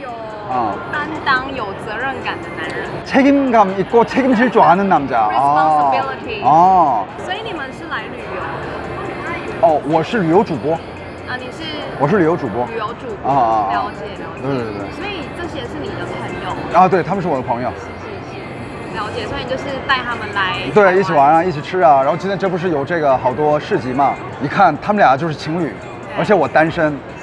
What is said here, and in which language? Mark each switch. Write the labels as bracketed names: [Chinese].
[Chinese] 我觉得要有担当、有责任感的男人。 [Korean] 책임감 있고 책임질 줄 아는 남자. [English] Responsibility. 아. [Chinese] 所以你们是来旅游？我是旅游主播。啊，你是？我是旅游主播。旅游主播。啊啊。了解了解。对对对。所以这些是你的朋友。啊，对，他们是我的朋友。了解，所以就是带他们来。对，一起玩啊，一起吃啊。然后今天这不是有这个好多市集嘛？你看他们俩就是情侣，而且我单身。